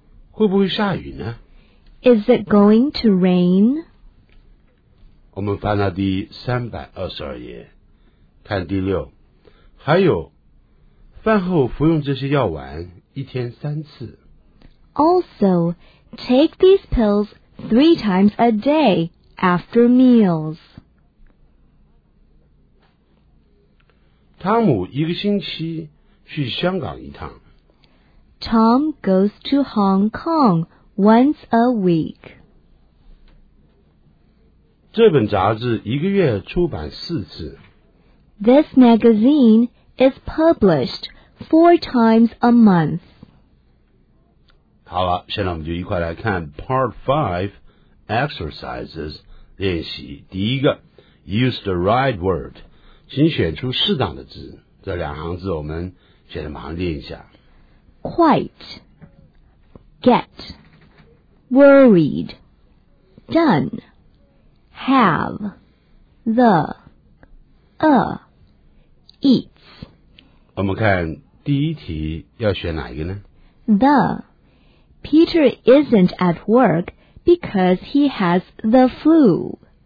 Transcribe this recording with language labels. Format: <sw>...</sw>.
<zh>会不会下雨呢？</zh> <en>Is it going to rain?</en> <zh>我们翻到第322页，看第六，还有，饭后服用这些药丸，一天三次。</zh> <en>Also, take these pills 3 times a day after meals.</en> <zh>汤姆一个星期去香港一趟。</zh> <en>Tom goes to Hong Kong once a week.</en> <zh>这本杂志一个月出版四次。</zh> <en>This magazine is published 4 times a month.</en> <zh>好了，现在我们就一块来看</zh> <en>Part 5 Exercises</en> <zh>练习。第一个</zh> <en>,Use the right word.</en> <zh>请选出适当的字，这两行字我们现在马上练一下。</zh> <en>Quite, get, worried, done, have, the, eats.</en> <zh>我们看第一题要选哪一个呢？</zh> <en>The, Peter isn't at work because he has the flu.</en>